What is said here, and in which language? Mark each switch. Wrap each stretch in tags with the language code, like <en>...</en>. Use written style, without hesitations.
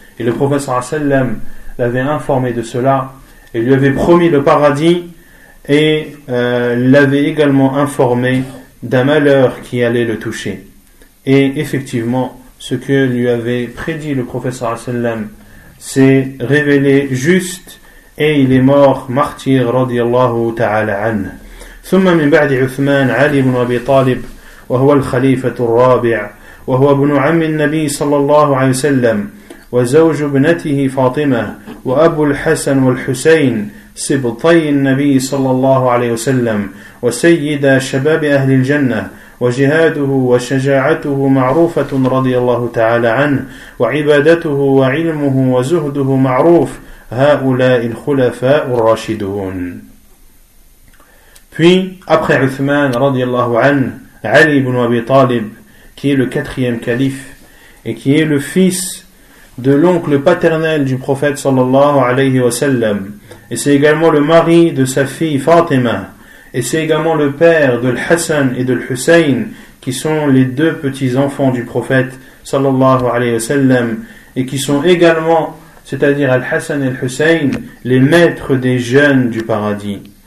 <fr>Et le prophète sallallahu alayhi wa sallam l'avait informé de cela et lui avait promis le paradis et l'avait également informé d'un malheur qui allait le toucher. Et effectivement, ce que lui avait prédit le prophète sallallahu alayhi wa sallam s'est révélé juste et il est mort martyr, radiyallahu ta'ala anhu.</fr> <ar>ثم من بعد عثمان علي بن أبي طالب وهو الخليفة الرابع وهو ابن عم النبي صلى الله عليه وسلم وزوج ابنته فاطمة وأبو الحسن والحسين سبطي النبي صلى الله عليه وسلم وسيد شباب أهل الجنة وجهاده وشجاعته معروفة رضي الله تعالى عنه وعبادته وعلمه وزهده معروف هؤلاء الخلفاء الراشدون.</ar> <fr>Puis, après Uthman, radiallahu anhu, Ali ibn Abi Talib, qui est le quatrième calife, et qui est le fils de l'oncle paternel du prophète, sallallahu alayhi wa sallam, et c'est également le mari de sa fille Fatima, et c'est également le père de l'Hassan et de l'Hussein, qui sont les deux petits-enfants du prophète, sallallahu alayhi wa sallam, et qui sont également, c'est-à-dire al-Hassan et al-Hussein, les maîtres des jeunes du paradis.</fr>